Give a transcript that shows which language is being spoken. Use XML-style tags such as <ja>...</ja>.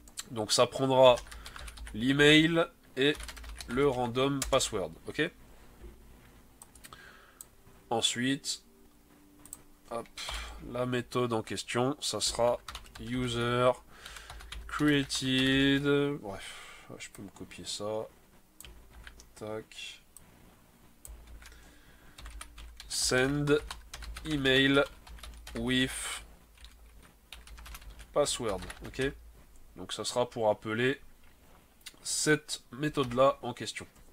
<fr>Donc ça prendra l'email et le random password, ok? Ensuite, hop, la méthode en question, ça sera user created. Bref, je peux me copier ça. Tac.</fr> <en>Send email with password, ok?</en> <fr>Donc ça sera pour appeler cette méthode-là en question.</fr>